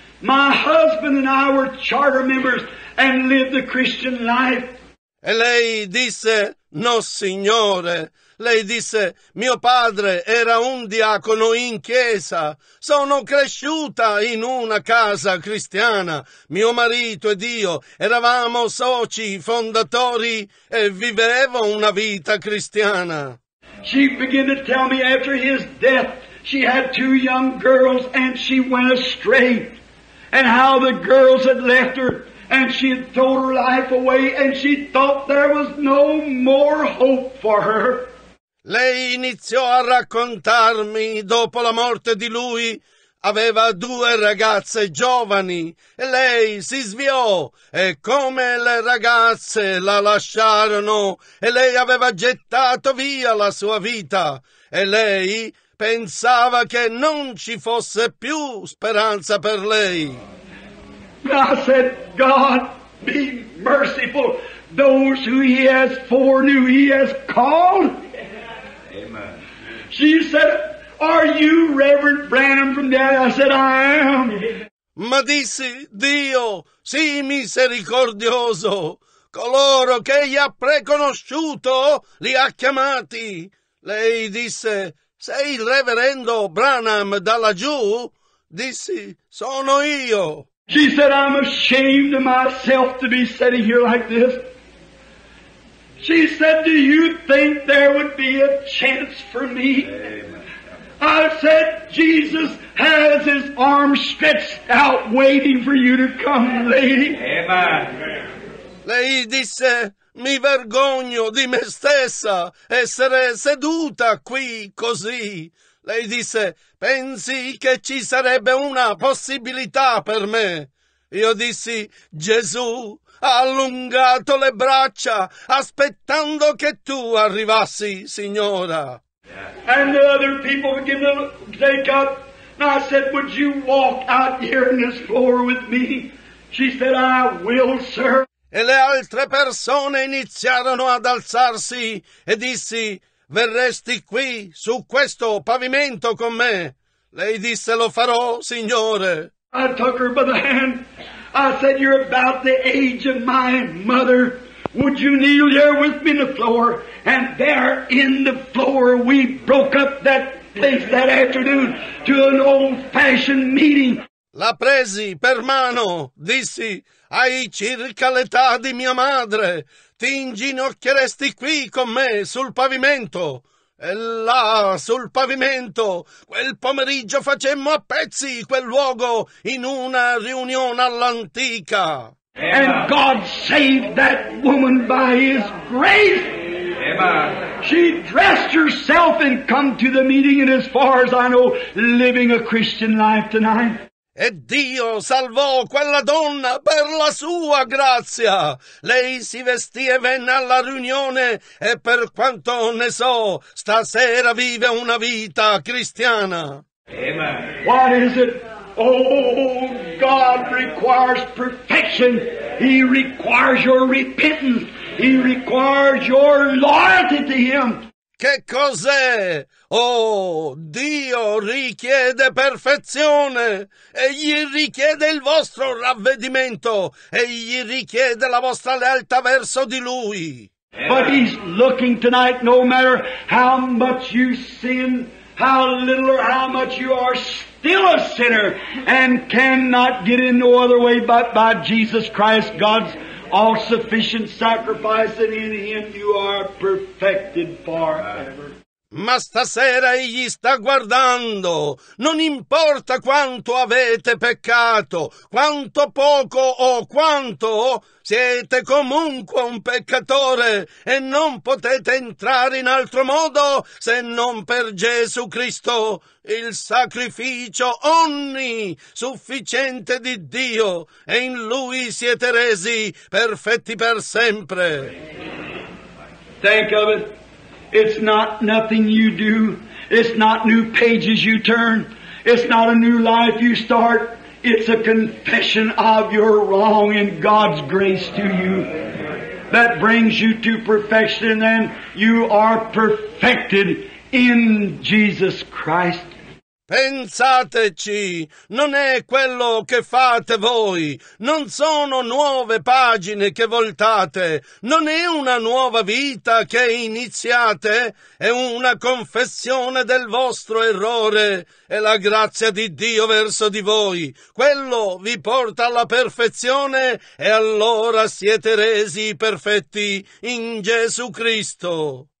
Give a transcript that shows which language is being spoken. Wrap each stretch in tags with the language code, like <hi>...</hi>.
<en>My husband and I were charter members and lived the Christian life.</en> <it>E lei disse, no, signore. Lei disse, mio padre era un diacono in chiesa, sono cresciuta in una casa cristiana, mio marito ed io eravamo soci fondatori e vivevo una vita cristiana.</it> <en>She began to tell me after his death, she had two young girls and she went astray, and how the girls had left her. And she had thrown her life away, and she thought there was no more hope for her.</en> <it>Lei iniziò a raccontarmi, dopo la morte di lui, aveva due ragazze giovani, e lei si sviò, e come le ragazze la lasciarono, e lei aveva gettato via la sua vita, e lei pensava che non ci fosse più speranza per lei.</it> <en>I said, God, be merciful. Those who he has foreknew, he has called. Amen. She said, are you Reverend Branham from that? I said, I am.</en> <it>Ma dissi, Dio, sii misericordioso. Coloro che gli ha preconosciuto, li ha chiamati. Lei disse, sei il Reverendo Branham da laggiù? Dissi, sono io.</it> <en>She said, I'm ashamed of myself to be sitting here like this. She said, do you think there would be a chance for me? Amen. I said, Jesus has his arms stretched out waiting for you to come, lady. Amen.</en> <it>Lei disse, mi vergogno di me stessa essere seduta qui così. Lei disse, pensi che ci sarebbe una possibilità per me? Io dissi, Gesù ha allungato le braccia aspettando che tu arrivassi, signora.</it> <en>And the other people began to take up. And I said, would you walk out here in this floor with me? She said, I will, sir.</en> <it>E le altre persone iniziarono ad alzarsi e dissi, verresti qui su questo pavimento con me? Lei disse, lo farò, signore.</it> <en>I took her by the hand. I said, you're about the age of my mother. Would you kneel here with me on the floor? And there in the floor we broke up that place that afternoon to an old-fashioned meeting.</en> <it>La presi per mano, dissi, hai circa l'età di mia madre, ti inginocchieresti qui con me sul pavimento. E là, sul pavimento, quel pomeriggio facemmo a pezzi quel luogo in una riunione all'antica.</it> <en>And God saved that woman by his grace. Amen. She dressed herself and come to the meeting, and as far as I know, living a Christian life tonight.</en> <it>E Dio salvò quella donna per la sua grazia. Lei si vestì e venne alla riunione e per quanto ne so, stasera vive una vita cristiana.</it> <en>Amen. What is it? Oh, God requires perfection. He requires your repentance. He requires your loyalty to him.</en> <it>Che cos'è? Oh, Dio richiede perfezione, egli richiede il vostro ravvedimento, egli richiede la vostra lealtà verso di lui.</it> <en>But he's looking tonight, no matter how much you sin, how little or how much you are still a sinner and cannot get in no other way but by Jesus Christ, God's all-sufficient sacrifice, and in him you are perfected forever.</en> <it>Ma stasera egli sta guardando. Non importa quanto avete peccato, quanto poco o quanto, siete comunque un peccatore e non potete entrare in altro modo se non per Gesù Cristo, il sacrificio onnisufficiente di Dio, e in Lui siete resi perfetti per sempre.</it> <en>Think of it. It's not nothing you do. It's not new pages you turn. It's not a new life you start. It's a confession of your wrong and God's grace to you. That brings you to perfection, and then you are perfected in Jesus Christ.</en> <it>Pensateci, non è quello che fate voi, non sono nuove pagine che voltate, non è una nuova vita che iniziate, è una confessione del vostro errore, è la grazia di Dio verso di voi, quello vi porta alla perfezione e allora siete resi perfetti in Gesù Cristo.</it>